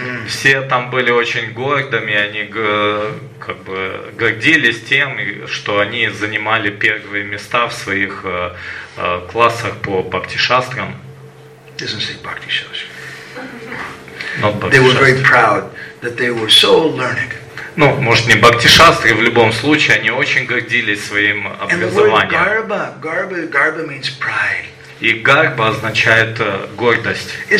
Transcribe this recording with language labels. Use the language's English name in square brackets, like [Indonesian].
[Russian] Все там были очень гордыми, они как бы гордились тем, что они занимали первые места в своих классах по Бхакти Шастрам. [English] Doesn't say Bhakti Shastri. They were very proud that they were so learned. [Russian] Ну, может, не бхакти-шастры, в любом случае, они очень гордились своим образованием. [English] Garba means pride. [Russian] И гарба означает гордость.